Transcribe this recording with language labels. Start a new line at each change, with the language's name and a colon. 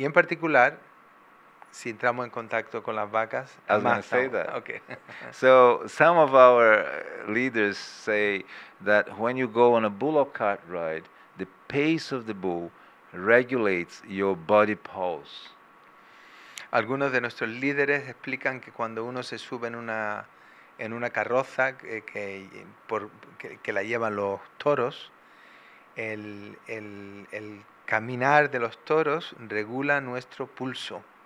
Spanish: Y en particular, si entramos en contacto con las vacas,
English: I'm going to say that. Okay. So, some of our leaders say that when you go on a bull or cart ride, the pace of the bull regulates your body pulse.
Spanish: Algunos de nuestros líderes explican que cuando uno se sube en una carroza que la llevan los toros, el caminar de los toros regula nuestro pulso.